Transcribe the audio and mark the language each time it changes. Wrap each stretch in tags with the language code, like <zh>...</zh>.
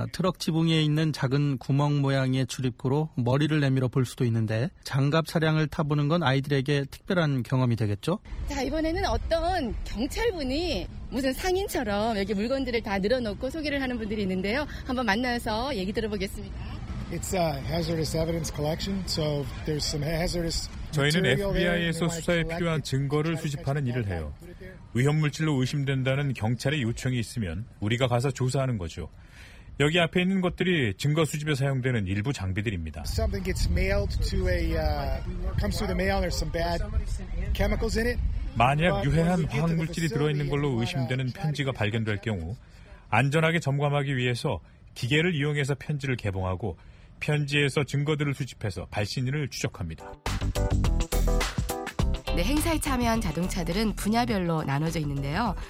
<ko>트럭 지붕에 있는 작은 구멍 모양의 출입구로 머리를 내밀어 볼 수도 있는데 장갑 차량을 타보는 건 아이들에게 특별한 경험이 되겠죠. 자, 이번에는 어떤 경찰분이 무슨 상인처럼 여기 물건들을 다 늘어놓고 소개를 하는 분들이 있는데요. 한번 만나서 얘기 들어보겠습니다.</ko> <en>It's a hazardous evidence collection, so there's some hazardous.</en> <ko>저희는 FBI에서 수사에 필요한 증거를 수집하는 일을 해요. 위험 물질로 의심된다는 경찰의 요청이 있으면 우리가 가서 조사하는 거죠. 여기 앞에 있는 것들이 증거 수집에 사용되는 일부 장비들입니다.</ko> <en>Something gets mailed to a comes through the mail. There's some bad chemicals in it.</en> <ko>만약 유해한 화학 물질이 들어 있는 걸로 의심되는 편지가 발견될 경우, 안전하게 점검하기 위해서 기계를 이용해서 편지를 개봉하고 편지에서 증거들을 수집해서 발신인을 추적합니다. 네, 행사에 참여한 자동차들은 분야별로 나눠져 있는데요.</ko>